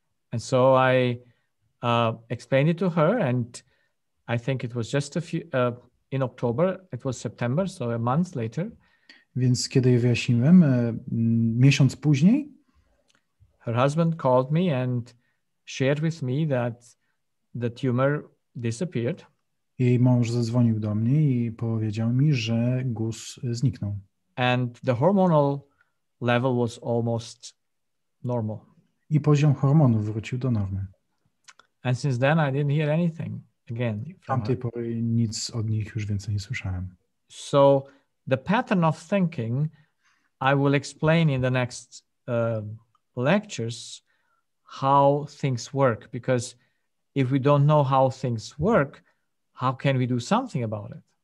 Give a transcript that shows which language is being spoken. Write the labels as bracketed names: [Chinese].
[English] And so I explained it to her, and I think it was just a few in October, it was September, so a month later. [Polish] Więc kiedy jej wyjaśniłem, miesiąc później, [English] her husband called me and shared with me that the tumor disappeared. [Polish] Jej mąż zadzwonił do mnie i powiedział mi, że guz zniknął. [English] And the hormonal level was almost normal. [Polish] I poziom hormonów wrócił do normy. [English] And since then I didn't hear anything again. [Polish] Tamtej pory nic od nich już więcej nie słyszałem. [English] So the pattern of thinking I will explain in the next lectures how things work, because if we don't know how things work, how can we do something about it?